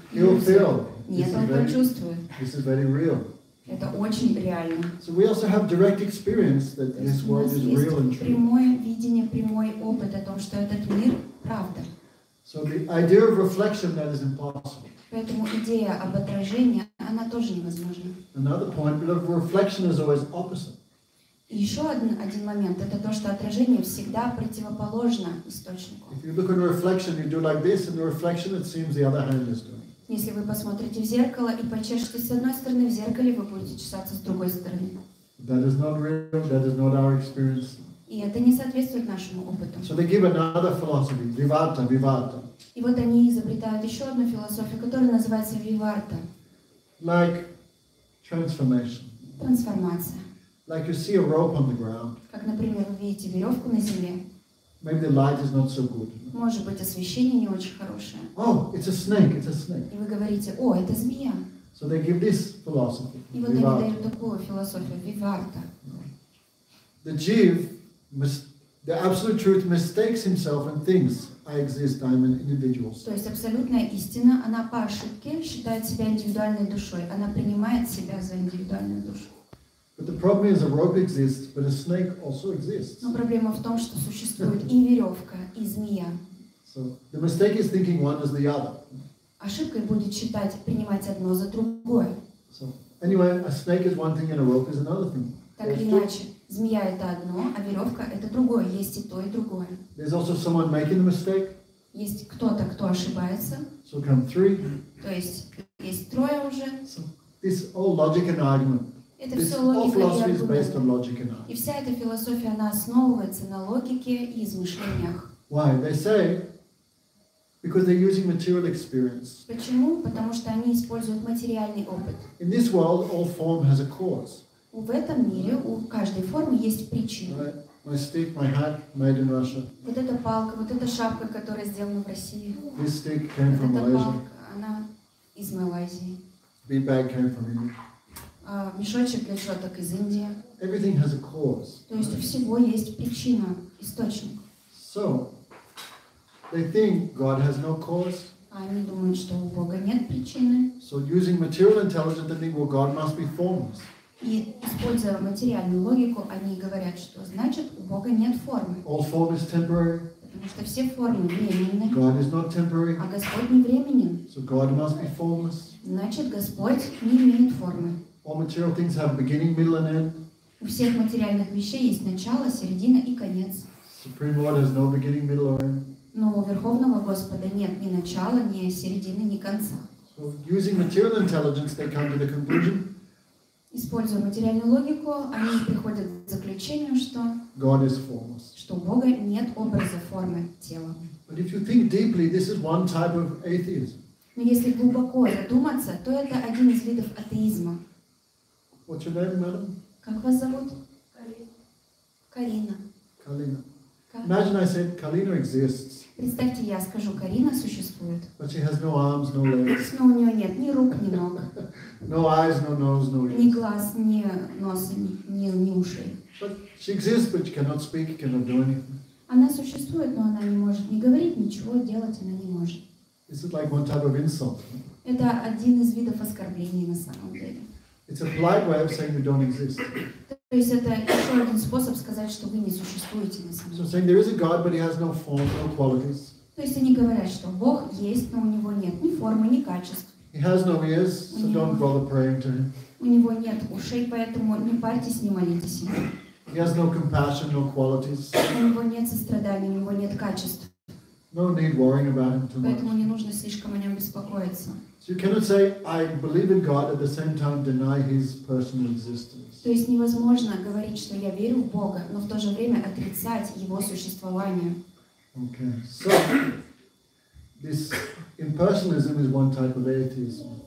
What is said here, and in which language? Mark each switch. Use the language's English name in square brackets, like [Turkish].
[English] He'll feel. [Russian] Нет, он почувствует. [English] This is very real. [Russian] Это очень реально. [English] So we also have direct experience that this world is real and true. [Russian] Прямое видение, прямой опыт о том, что этот мир правда. [English] So the idea of reflection, that is impossible. [Russian] Поэтому идея об отражении, она тоже невозможна. [English] Another point, but reflection is always opposite. [Russian] Еще один момент, это то, что отражение всегда противоположно источнику. [English] If you look at a reflection, you do like this, and the reflection, it seems the other hand is doing. [Russian] Если вы посмотрите в зеркало и почешете с одной стороны, в зеркале вы будете чесаться с другой стороны. [English] That is not real, that is not our experience. [Russian] И это не соответствует нашему опыту. [English] So they give another philosophy, Vivarta, Vivarta. [Russian] И вот они изобретают еще одну философию, которая называется Виварта. [English] Like transformation. [Russian] Трансформация. [English] Like you see a rope on the ground. [Russian] Как, например, вы видите веревку на земле. [English] Maybe the light is not so good. [Russian] Может быть, освещение не очень хорошее. [English] Oh, it's a snake, it's a snake. [Russian] И вы говорите, о, это змея. [English] So they give this philosophy. [Russian] И вот они дают такую философию, Виварта. [English] The Jew, the absolute truth, mistakes himself and thinks I exist, I'm an individual. [Russian] То есть абсолютная истина, она по ошибке считает себя индивидуальной душой, она принимает себя за индивидуальную душу. [English] But the problem is a rope exists, but a snake also exists. [Russian] Но проблема в том, что существует и веревка, и змея. [English] So the mistake is thinking one is the other. [Russian] Ошибкой будет считать, принимать одно за другое. [English] So anyway, a snake is one thing and a rope is another thing. [Russian] Так или иначе. Змея — это одно, а веревка — это другое. Есть и то, и другое. [English] There's also someone making a mistake. [Russian] Есть кто-то, кто ошибается. [English] So come three. [Russian] То есть есть трое уже. [English] So this all logic and argument. [Russian] Это все логика и аргумент. [English] This all philosophy is based on logic and argument. [Russian] И вся эта философия, она основывается на логике и измышлениях. [English] Why? They say, because they're using material experience. [Russian] Почему? Потому что они используют материальный опыт. [English] In this world, all form has a cause. [Russian] В этом мире у каждой формы есть причина. [English] My stick, my hat, made in Russia. [Russian] Вот эта палка, вот эта шапка, которая сделана в России. [English] This stick came [Russian] вот [English] from [Russian] эта [English] Malaysia. [Russian] Палка, она из Малайзии. [English] Big bag came from India. [Russian] Мешочек для шоток из Индии. [English] Everything has a cause. [Russian] То есть у всего есть причина, источник. [English] So, they think God has no cause. [Russian] Они думают, что у Бога нет причины. [English] So, using material intelligence, they think, well, God must be formless. [Russian] И, используя материальную логику, они говорят, что значит, у Бога нет формы. [English] All form is temporary. [Russian] Потому что все формы временны. [English] God is not temporary. [Russian] А Господь не временен. [English] So God must be formless. [Russian] Значит, Господь не имеет формы. [English] All material things have beginning, middle and end. [Russian] У всех материальных вещей есть начало, середина и конец. [English] Supreme Lord has no beginning, middle or end. [Russian] Но у Верховного Господа нет ни начала, ни середины, ни конца. [English] So using material intelligence, they come to the conclusion. [Russian] Используя материальную логику, они приходят к заключению, что, [English] God is formless. [Russian] Что у Бога нет образа формы тела. [English] But if you think deeply, this is one type of atheism. [Russian] Но если глубоко задуматься, то это один из видов атеизма. [English] What's your name, madam? [Russian] Как вас зовут? Карина. [English] Карина. Imagine I said Karina exists. [Russian] Представьте, я скажу, Карина существует. [English] But she has no arms, no legs. [Russian] Но у нее нет ни рук, ни ног. [English] No eyes, no nose, no ears. [Russian] Ни глаз, ни носа, ни ушей. [English] But she exists, but she cannot speak, cannot do anything. [Russian] Она существует, но она не может ни говорить, ничего делать она не может. [English] Is it like one type of insult? [Russian] Это один из видов оскорблений на самом деле. [English] It's a polite way of saying you don't exist. [Russian] То есть это еще один способ сказать, что вы не существуете на самом деле. [English] So saying there is a God, but he has no form, no qualities. [Russian] То есть они говорят, что Бог есть, но у него нет ни формы, ни качеств. [English] He has no ears, so don't bother praying to him. [Russian] У него нет ушей, поэтому не парьтесь, не молитесь ему. [English] He has no compassion, no qualities. [Russian] У него нет сострадания, у него нет качеств. [English] No need worrying about him too much. [Russian] Поэтому не нужно слишком о нем беспокоиться. [English] So you cannot say I believe in God at the same time deny His personal existence. [Russian] То есть невозможно говорить, что я верю в Бога, но в то же время отрицать Его существование. [English] Okay. So this impersonalism is one type of atheism.